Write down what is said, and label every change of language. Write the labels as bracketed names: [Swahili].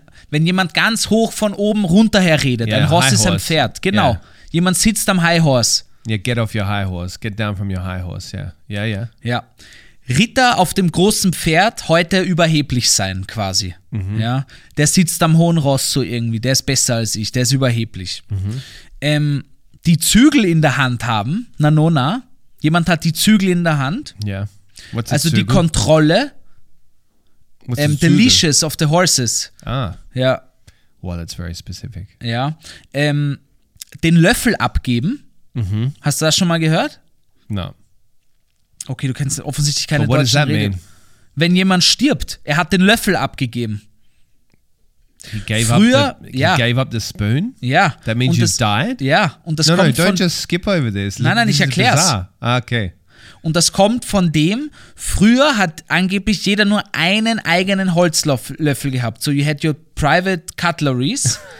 [German] Wenn jemand ganz hoch von oben runter her redet. Yeah, ein Ross ist ein Pferd. Genau. Yeah. Jemand sitzt am High Horse. [English] Yeah, get off your high horse. Get down from your high horse. Yeah. Yeah, yeah. [German] Ja. Ritter auf dem großen Pferd heute überheblich sein, quasi. Mhm. Ja. Der sitzt am hohen Ross so irgendwie. Der ist besser als ich. Der ist überheblich. Mhm. Die Zügel in der Hand haben. Na, no, na. Jemand hat die Zügel in der Hand. Ja. Yeah. Also Zügel? Die Kontrolle. [English] The leashes of the horses. Ah. [German] Ja. [English] Well, that's very specific. [German] Ja. Den Löffel abgeben. Mhm. Hast du das schon mal gehört? [English] No. [German] Okay, du kennst offensichtlich keine deutschen Regeln. [English] What does that mean? [German] Wenn jemand stirbt, er hat den Löffel abgegeben. [English] Gave up the spoon? [German] Ja. [English] That means you died? [German] Ja. Und das kommt [English] don't just skip over this. [German] Nein, ich erklär's. [English] Ah, okay. [German] Und das kommt von dem, früher hat angeblich jeder nur einen eigenen Holzlöffel gehabt. [English] So you had your private cutleries.